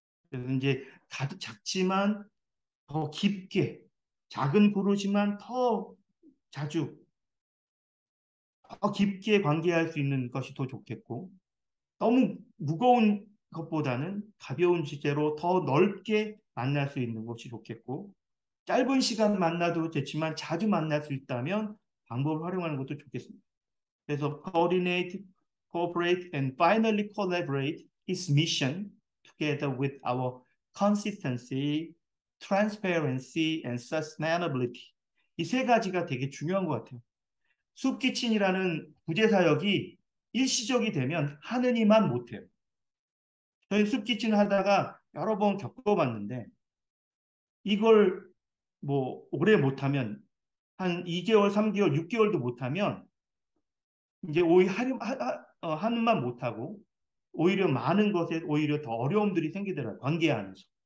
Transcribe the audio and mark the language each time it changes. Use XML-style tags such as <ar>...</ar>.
<ko>그래서 이제 다들 작지만 더 깊게, 작은 그룹이지만 더 자주, 더 깊게 관계할 수 있는 것이 더 좋겠고, 너무 무거운 것보다는 가벼운 주제로 더 넓게 만날 수 있는 것이 좋겠고, 짧은 시간 만나도 좋지만 자주 만날 수 있다면 방법을 활용하는 것도 좋겠습니다.</ko> <en>그래서 coordinate, cooperate, and finally collaborate his mission together with our consistency, transparency, and sustainability.</en> <ko>이세 가지가 되게 중요한 것 같아요. 숲기친이라는 구제사역이 일시적이 되면 하느니만 못해요. 저희 숲기친 하다가 여러 번 겪어봤는데 이걸 뭐 오래 못하면 한 2개월, 3개월, 6개월도 못하면 이제 오히려 하는 만 못하고 오히려 많은 것에 오히려 더 어려움들이 생기더라고요. 관계 안에서.</ko>